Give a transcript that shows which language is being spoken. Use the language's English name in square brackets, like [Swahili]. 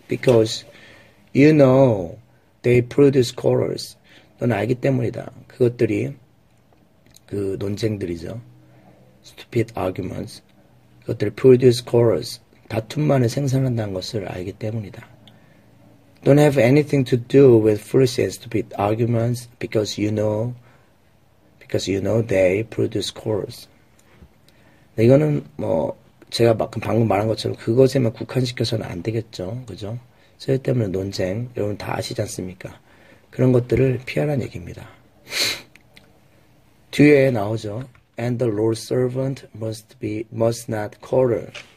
[English] Because you know they produce quarrels. [Korean] 너는 알기 때문이다. 그것들이 그 논쟁들이죠. [English] Stupid arguments. [Korean] 그것들이 [English] produce quarrels. [Korean] 다툼만을 생산한다는 것을 알기 때문이다. [English] Don't have anything to do with foolish and stupid arguments because you know they produce quarrels. [Korean] 이거는 뭐 제가 방금 말한 것처럼 그것에만 국한시켜서는 안 되겠죠. 그죠? 쓸데없는 논쟁 여러분 다 아시지 않습니까? 그런 것들을 피하라는 얘기입니다. 뒤에 나오죠. [English] And the Lord's servant must not quarrel.